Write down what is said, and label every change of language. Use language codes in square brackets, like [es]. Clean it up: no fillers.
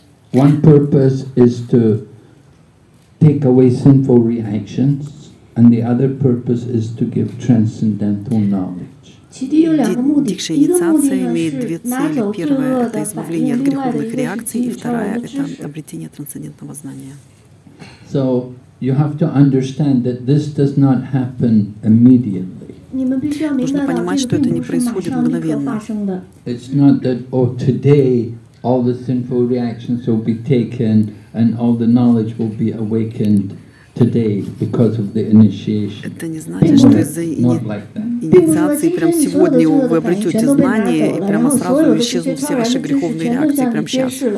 [en] One purpose is to take away sinful reactions, and the other purpose is to give transcendental knowledge. [ru] Дикша инициация имеет две цели. Первая – это избавление от греховных реакций, и вторая – это обретение трансцендентного знания. [en] So you have to understand that this does not happen immediately. [ru] Нужно понимать, что это не происходит мгновенно. [en] It's not that, oh, today all the sinful reactions will be taken and all the knowledge will be awakened today because of the initiation. [ru] Это не значит, что из-за инициации прямо сегодня вы обретете знание и прямо сразу исчезнут все ваши греховные реакции прямо сейчас.